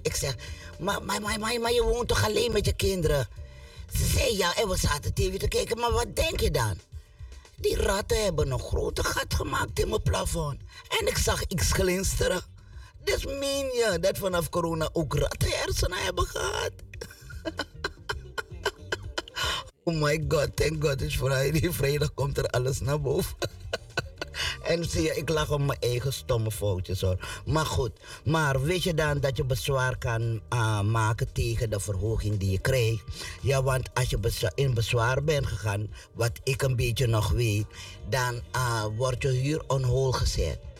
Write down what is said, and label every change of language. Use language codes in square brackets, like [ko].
[nl] Ik zeg, maar je woont toch alleen met je kinderen? Ze zei, ja, en we zaten tv te kijken, maar wat denk je dan? Die ratten hebben een grote gat gemaakt in mijn plafond. En ik zag iets glinsteren. Dus meen je dat vanaf corona ook ratten hersenen hebben gehad? [en] Oh my god, thank god, is Friday. [nl] Vrijdag komt er alles naar boven. En zie je, ik lach om mijn eigen stomme foutjes hoor. Maar goed, maar weet je dan dat je bezwaar kan maken tegen de verhoging die je krijgt? Ja, want als je in bezwaar bent gegaan, wat ik een beetje nog weet, dan wordt je huur on hold gezet.